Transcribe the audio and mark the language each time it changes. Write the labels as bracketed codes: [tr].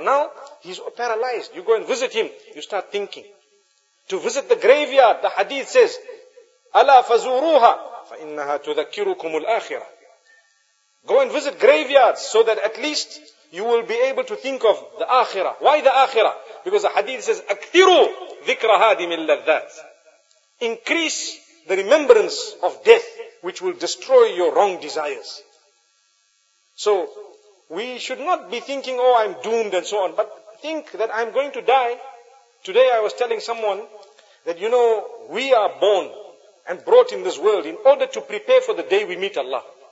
[en] Now, he's paralyzed. You go and visit him, you start thinking. To visit the graveyard, the hadith says, [ar] أَلَا فَزُورُوهَا فَإِنَّهَا تُذَكِّرُكُمُ الْآخِرَةِ. [en] Go and visit graveyards so that at least you will be able to think of the akhirah. Why the akhirah? Because the hadith says, [ar] أَكْثِرُوا ذِكْرَ هَادِ مِنْ لَذَّاتِ. [en] Increase the remembrance of death, which will destroy your wrong desires. So, we should not be thinking, oh, I'm doomed and so on, but think that I'm going to die. Today I was telling someone that, you know, we are born and brought in this world in order to prepare for the day we meet Allah.